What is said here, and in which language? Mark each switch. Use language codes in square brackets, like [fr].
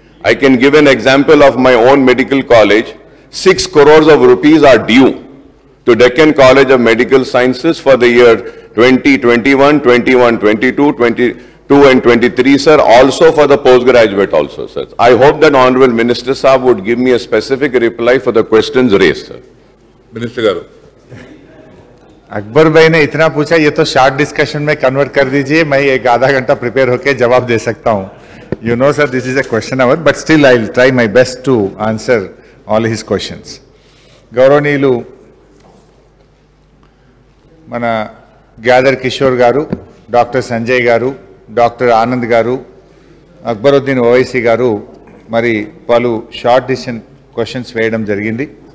[en] I can give an example of my own medical college. 6 crores of rupees are due to Deccan College of Medical Sciences for the year 2021, 21, 22, 22 and 23, sir, also for the postgraduate also, sir. I hope that Honorable Minister Saab would give me a specific reply for the questions raised, sir. Minister Garu. [hi] Akbar भाई ने इतना पूछा, ये तो short discussion में convert कर दीजिए, मैं एक आधा घंटा प्रिपेयर होकर जवाब दे सकता हूँ. [en] You know sir, this is a question hour, but still I will try my best to answer all his questions. [te] गौरवनीयुलु मन గ్యాదర్ కిషోర్ గారు, డాక్టర్ సంజయ్ గారు, డాక్టర్ ఆనంద్ గారు, అక్బరుద్దీన్ ఓవైసీ గారు, మరి పలు షార్ట్ డిసిషన్ క్వశ్చన్స్ వేయడం జరిగింది.